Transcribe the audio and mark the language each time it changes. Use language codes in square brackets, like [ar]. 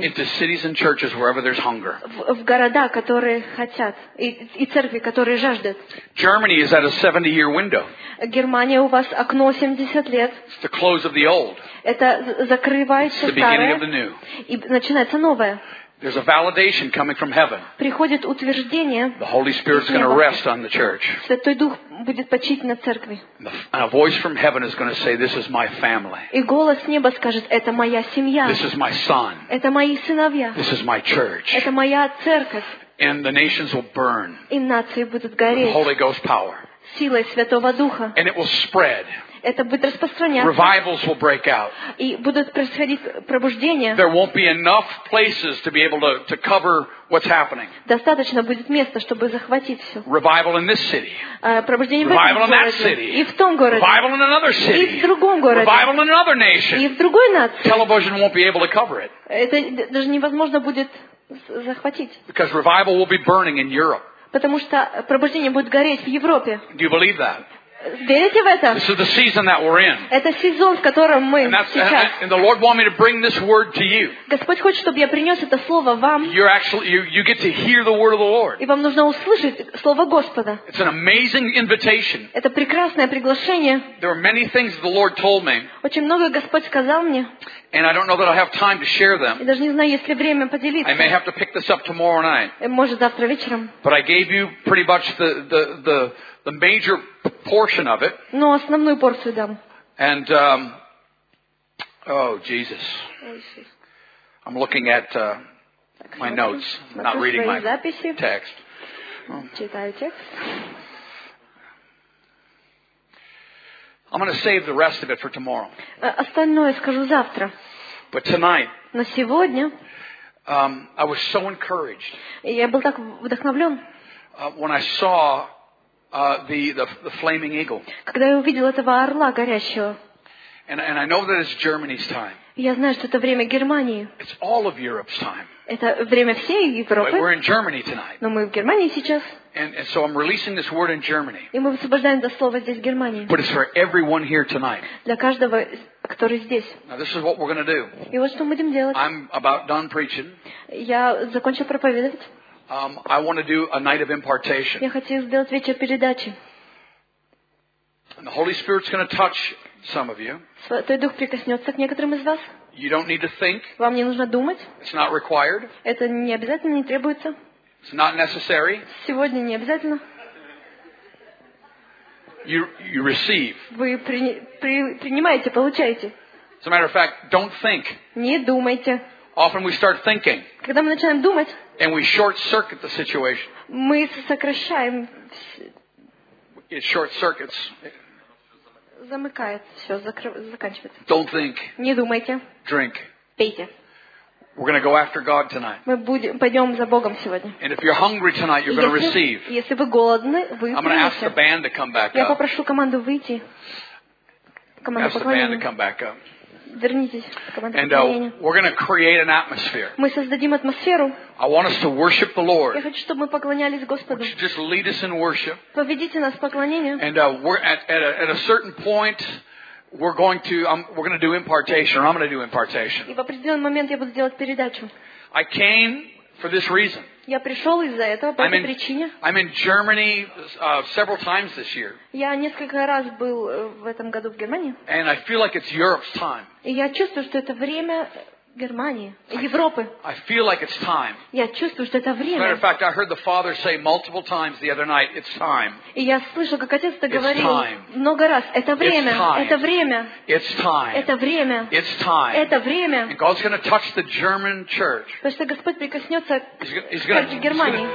[en] Into cities and churches wherever there's hunger. [ru] В города, которые хотят, и церкви, которые жаждут. [en] Germany is at a 70-year window. [ru] Германия у вас окно 70 лет. [en] It's the close of the old. [ru] Это закрывается старое. [en] It's the beginning of the new. [ru] И начинается новое. [en] There's a validation coming from heaven. [ru] Приходит утверждение. [en] The Holy Spirit's going to rest on the church. [ru] Святой Дух будет почить на церкви. [en] And a voice from heaven is going to say, "This is my family." [ru] И голос с неба скажет: "Это моя семья." [en] This is my son. [ru] Это мои сыновья. [en] This is my church. [ru] Это моя церковь. [en] And the nations will burn. [ru] И нации будут гореть. [en] The Holy Ghost power. [ru] Силой Святого Духа. [en] And it will spread. [ru] Это будет распространяться. [en] Revivals will break out. [ru] И будут происходить пробуждения. [en] There won't be enough places to be able to cover what's happening. [ru] Достаточно будет места, чтобы захватить все. [en] Revival in this city. [ru] Пробуждение [en] Revival [ru] в этом городе. [en] That city. [ru] И в том городе. [en] Revival in another city. [ru] И в другом городе. [en] Revival in another nation. [ru] И в другой нации. [en] Television won't be able to cover it. [ru] Это даже невозможно будет захватить. [en] Because revival will be burning in Europe. [ru] Потому что пробуждение будет гореть в Европе. [en] Do you believe that? [ru] Верите в это? [en] This is the season that we're in. [ru] Это сезон, в котором мы сейчас. [en] And the Lord wants me to bring this word to you. [ru] Господь хочет, чтобы я принес это слово вам. [en] You're actually, you get to hear the word of the Lord. [ru] И вам нужно услышать слово Господа. [en] It's an amazing invitation. [ru] Это прекрасное приглашение. [en] There are many things the Lord told me. [ru] Очень много Господь сказал мне. [en] And I don't know that I have time to share them. [ru] Я даже не знаю, есть ли время поделиться. [en] I may have to pick this up tomorrow night. [ru] Может, завтра вечером. [en] But I gave you pretty much the major portion of it. [ru] Но основную порцию дам. [en] And oh Jesus, I'm looking at my notes, not reading my text. [ru] Читаю текст. [en] I'm going to save the rest of it for tomorrow. [ru] Остальное скажу завтра. [en] But tonight. [ru] Но сегодня. [en] I was so encouraged. [ru] Я был так вдохновлен. [en] When I saw the flaming eagle. [ru] Когда я увидел этого орла горящего. [en] And I know that it's Germany's time. [ru] Я знаю, что это время Германии. [en] It's all of Europe's time. [ru] Это время всей Европы. [en] We're in Germany tonight. [ru] Но мы в Германии сейчас. [en] And so I'm releasing this word in Germany. [ru] И мы высвобождаем это слово здесь, в Германии. [en] But it's for everyone here tonight. [ru] Для каждого, который здесь. [en] Now this is what we're going to do. [ru] И вот что мы будем делать. [en] I'm about done preaching. [ru] Я закончил проповедовать. [en] I want to do a night of impartation. [ru] Я хотел сделать вечер передачи. [en] And the Holy Spirit's going to touch some of you. [ru] Святой Дух прикоснется к некоторым из вас. [en] You don't need to think. [ru] Вам не нужно думать. [en] It's not required. [ru] Это не обязательно, не требуется. [en] It's not necessary. [ru] Сегодня не обязательно. [en] You receive. [ru] Вы принимаете, получаете. [en] As a matter of fact, don't think. [ru] Не думайте. [en] Often we start thinking. [ru] Когда мы начинаем думать. [en] And we short circuit the situation. [ru] Мы сокращаем. [en] It short circuits. [ru] Замыкает, все заканчивается. [en] Don't think. [ru] Не думайте. [en] Drink. [ru] Пейте. [en] We're going to go after God tonight. [ru] Мы пойдем за Богом сегодня. [en] And if you're hungry tonight, you're going to receive. [ru] Если вы голодны, вы [en] I'm going to ask the band to come back up. [ru] Я попрошу команду выйти. Команда [en] ask the band to come back up. [ru] Вернитесь, [en] and we're going to create an atmosphere. [ru] Мы создадим атмосферу. [en] I want us to worship the Lord. [ru] Я хочу, чтобы мы поклонялись Господу. [en] Would you just lead us in worship? [ru] Поведите нас в поклонение. [en] And we're at a certain point, we're going to do impartation, or I'm going to do impartation. [ru] И в определенный момент я буду делать передачу. [en] I came for this reason. [ru] Я пришел из-за этого, по этой причине. [en] I'm in Germany several times this year. [ru] Я несколько раз был в этом году в Германии. [en] And I feel like it's Europe's time. [ru] И я чувствую, что это время Германии, Европы. [en] I feel like it's time. [ru] Я чувствую, что это время. [en] As a matter of fact, I heard the Father say multiple times the other night, it's time. [ru] И я слышал, как отец это говорил много раз. Это время. Это время. [en] It's time. [ru] Это время. [en] It's time. [ru] Это время. [en] And God's going to touch the German church. [ru] Потому что Господь прикоснется к церкви Германии.